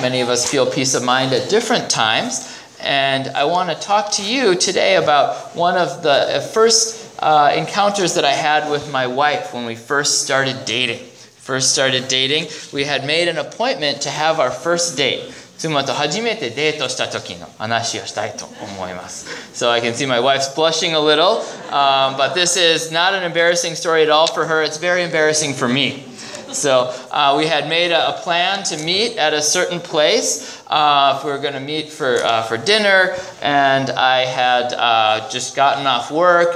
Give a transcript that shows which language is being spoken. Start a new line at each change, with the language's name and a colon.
English: Many of us feel peace of mind at different times. And I want to talk to you today about one of the first encounters that I had with my wife when we first started dating. We had made an appointment to have our first date.
Japanese: 妻と初めてデートした時の話をしたいと思います。
English: So I can see my wife's blushing a little, but this is not an embarrassing story at all for her. It's very embarrassing for me. So we had made a plan to meet at a certain place. If we were going to meet for dinner, and I had just gotten off work.